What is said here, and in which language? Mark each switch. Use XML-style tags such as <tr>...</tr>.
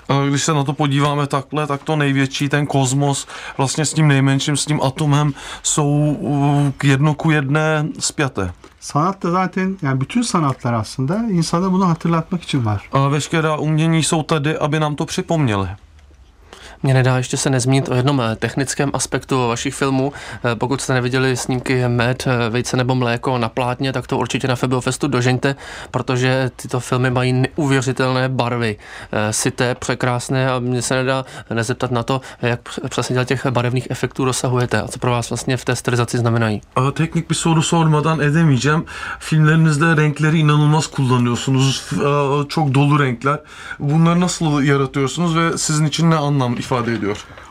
<cs>Když se na to podíváme takhle, tak to největší, ten kozmos, vlastně s tím nejmenším, s tím atomem, jsou jedno ku jedné spjaté.</cs> <tr>Sanat da zaten, yani bütün sanatlar aslında insana bunu hatırlatmak için var.</tr> <cs>Veškerá umění jsou tady, aby nám to připomněli. Mně nedá ještě se nezmínit o jednom technickém aspektu vašich filmů. Pokud jste neviděli snímky Med, Vejce nebo Mléko na plátně, tak to určitě na Febiofestu dožeňte, protože tyto filmy mají neuvěřitelné barvy. Sité, překrásné a mně se nedá nezeptat na to, jak přesně dělat těch barevných efektů dosahujete a co pro vás vlastně v té sterilizaci znamenají.</cs> <tr>Teknik by soru sormadan edemeyeceğim. Filmlerinizde renkleri inanılmaz kullanıyorsunuz. Çok dolu renkler. Bunları nasıl yaratıyorsunuz ve sizin için ne anlam ifade ediyor.</tr>